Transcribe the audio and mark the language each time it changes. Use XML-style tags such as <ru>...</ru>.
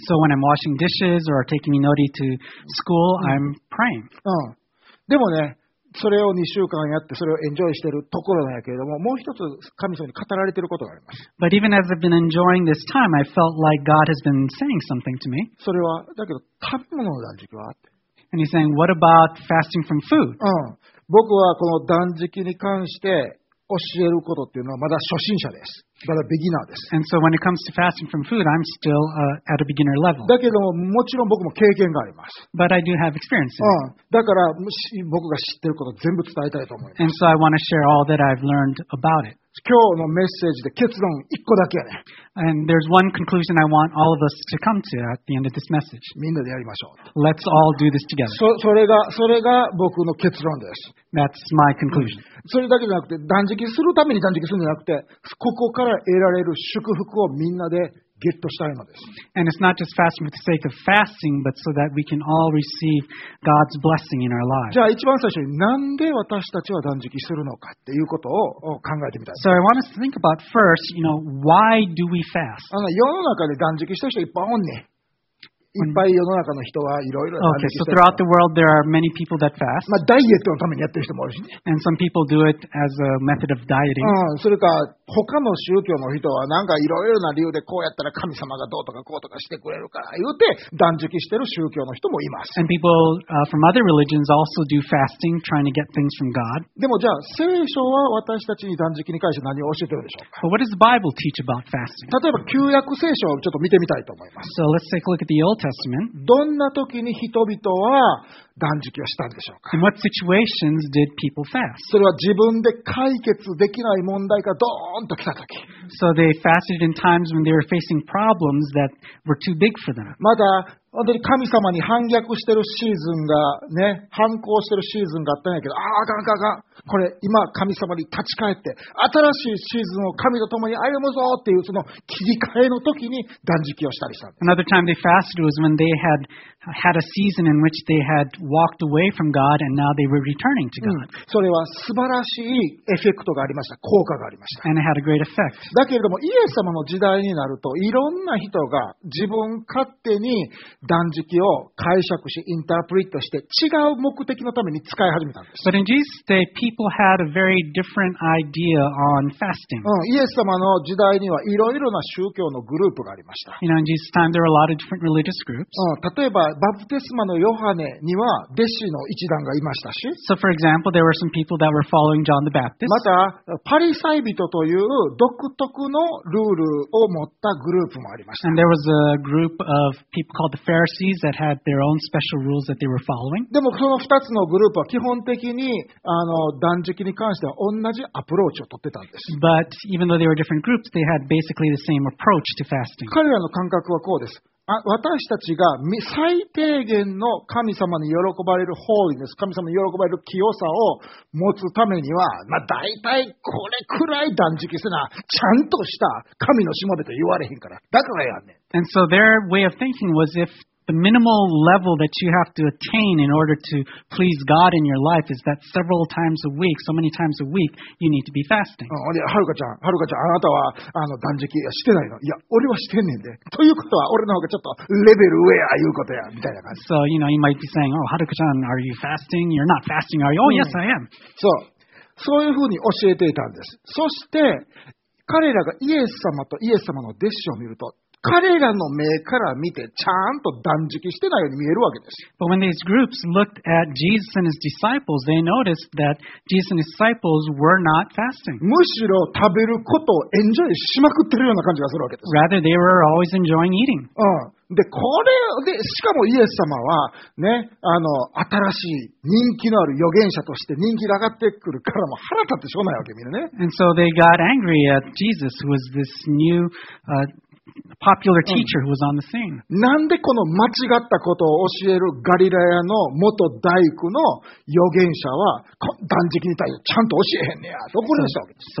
<en>So when I'm washing dishes or taking Minori to school, I'm praying.</en> <ja>でもね。それを2週間やってそれをエンジョイしているところなんやけれどももう一つ神様に語られていることがあります。</ja> <en>But even as I've been enjoying this time, I felt like God has been saying something to me.</en> <ja>それはだけど食べ物の断食は？</ja> <en>And he's saying, what about fasting from food?</en> <ja>僕はこの断食に関して教えることっていうのはまだ初心者です。まだビギナーです。</ja> <en>And so when it comes to fasting from food, I'm still at a beginner level.</en> <ja>だけどももちろん僕も経験があります。</ja> <en>But I do have experience.</en> <ja>だから僕が知ってること全部伝えたいと思います。</ja> <en>And so I want to share all that I've learned about it.</en> <ja>今日のメッセージで結論一個だけやね。</ja> <en>And there's one conclusion I want all of us to come to at the end of this message.</en> <ja>みんなでやりましょう。</ja> <en>Let's all do this together.</en> <ja>それが僕の結論です。</ja> <en>That's my conclusion.</en> <ja>それだけじゃなくて断食するために断食するんじゃなくてここから得られる祝福をみんなでゲットしたいのです。</ja> <en>And it's not just fasting for the sake of fasting, but so that we can all receive God's blessing in our lives.</en> <ja>じゃあ一番最初になんで私たちは断食するのかっていうことを考えてみたい。</ja> <en>So I want us to think about first, you know, why do we fast?</en> <ja>世の中で断食した人いっぱいおんねん。いっぱい世の中の人はいろいろ断食してる。</ja> <en>Okay, so throughout the world there are many people that fast.</en> <ja>まあダイエットのためにやってる人もいるし、ね。</ja> <en>And some people do it as a method of dieting.</en> <ja>それか他の宗教の人はなんかいろいろな理由でこうやったら神様がどうとかこうとかしてくれるから言って断食してる宗教の人もいます。</ja> <en>And people from other religions also do fasting, trying to get things from God.</en> <ja>でもじゃあ聖書は私たちに断食に関して何を教えてるでしょうか。</ja> <en>But what does the Bible teach about fasting?</en> <ja>例えば旧約聖書をちょっと見てみたいと思います。</ja> <en>So let's take a look at the Old Testament.</en> <ja>どんな時に人々は断食をしたんでしょうか。</ja> <en>In what situations did people fast?</en> <ja>それは自分で解決できない問題がドーンと来た時。</ja> <en>So they fasted in times when they were facing problems that were too big for them.</en> <ja>まだ本当に神様に反逆してるシーズンがね、反抗してるシーズンがあったんやけど、ああ、あかんかんかん。これ今神様に立ち返って、新しいシーズンを神と共に歩むぞっていうその切り替えの時に断食をしたりした。</ja> <en>Another time they fasted was when they had a season in which they had walked away from God and now they were returning to God.</en> <ja>それは素晴らしいエフェクトがありました。効果がありました。</ja> <en>And it had a great effect.</en> <ja>だけれども、イエス様の時代になると、いろんな人が自分勝手に断食を解釈し、インタープリットして違う目的のために使い始めたんです。</ja> <en>But in Jesus' day, people had a very different idea on fasting.</en> <ja>イエス様の時代にはいろいろな宗教のグループがありました。</ja> <en>You know, in Jesus' time, there were a lot of different religious groups.</en> <ja>例えばバプテスマのヨハネには弟子の一団がいましたし、</ja> <en>So for example, there were some people that were following John the Baptist.</en> <ja>またパリサイ人という独特のルールを持ったグループもありました。</ja> <en>And there was a group of people called the Pharisees that had their own special rules that they were following.</en> <ja>でもその2つのグループは基本的にあの断食に関しては同じアプローチを取ってたんです。</ja> <en>But even though they were different groups, they had basically the same approach to fasting.</en> <ja>彼らの感覚はこうです。私たちが最低限の神様に喜ばれるホーリネス、神様に喜ばれる清さを持つためには、まあ、大体これくらい断食せな、ちゃんとした神のしもべと言われへんから、だからやんねん。</ja> <en>And so their way of thinking was if the minimal level that you have to attain in order to please God in your life is that several times a week, so many times a week, you need to be fasting.</en> <ja>はるかちゃん、あなたはあの断食してないの？いや、俺はしてんねんで。ということは、俺の方がちょっとレベル上やいうことや、みたいな感じ。</ja> <en>So, you know, you might be saying, oh, Haruka-chan, are you fasting? You're not fasting, are you? Oh, yes, I am.</en> <ja>そういうふうに教えていたんです。そして、彼らがイエス様とイエス様の弟子を見ると、彼らの目から見てちゃんと断食してないように見えるわけです。</ja> <en>But when these groups looked at Jesus and his disciples, they noticed that Jesus and his disciples were not fasting.</en> <ja>むしろ食べることをエンジョイしまくってるような感じがするわけです。</ja> <en>Rather, they were always enjoying eating. うん。</en> <ja>で、これ、で、しかもイエス様は、ね、新しい人気のある預言者として人気が上がってくるからも腹立ってしょうないわけ、みんなね。</ja> <en>And so they got angry at Jesus, who was this new, popular teacher who was on the scene.</en> <ja>なんでこの間違ったことを教えるガリラヤの元大工の預言者は、断食に対してちゃんと教えへんねや、と怒りましたわけです。</ja>